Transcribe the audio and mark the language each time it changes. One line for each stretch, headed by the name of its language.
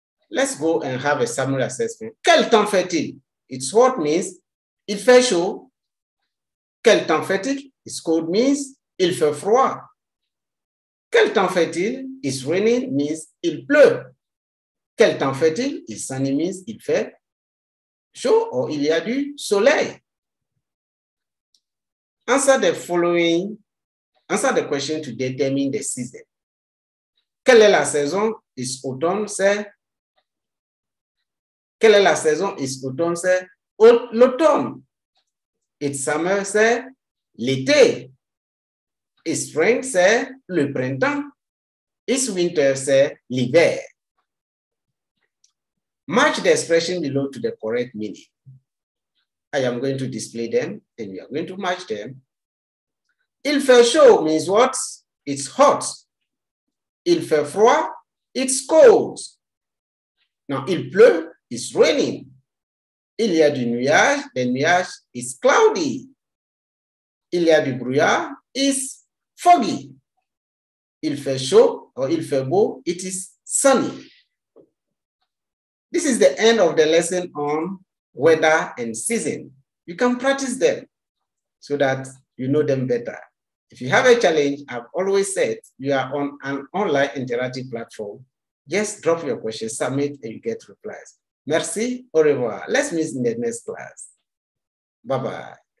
English: Let's go and have a summary assessment.
French: Quel temps fait-il?
English: It's what means,
French: il fait chaud. Quel temps fait-il?
English: It's cold means,
French: il fait froid. Quel temps fait-il?
English: It's raining means,
French: il pleut. Quel temps fait-il? Il s'animise, il fait chaud ou il y a du soleil?
English: Answer the question to determine the season.
French: Quelle est la saison?
English: Is autumn,
French: c'est? Quelle est la saison?
English: Is autumn,
French: c'est? L'automne.
English: It's summer, c'est? L'été. It's spring, c'est? Le printemps. It's winter, c'est? L'hiver. Match the expression below to the correct meaning. I am going to display them and we are going to match them.
French: Il fait chaud
English: means what? It's hot.
French: Il fait froid,
English: it's cold. Now,
French: il pleut,
English: it's raining.
French: Il y a du nuage,
English: the nuage is cloudy.
French: Il y a du brouillard,
English: it's foggy.
French: Il fait chaud or il fait beau,
English: it is sunny. This is the end of the lesson on weather and season. You can practice them so that you know them better. If you have a challenge, I've always said you are on an online interactive platform. Just drop your questions, submit, and you get replies.
French: Merci, au revoir.
English: Let's meet in the next class. Bye-bye.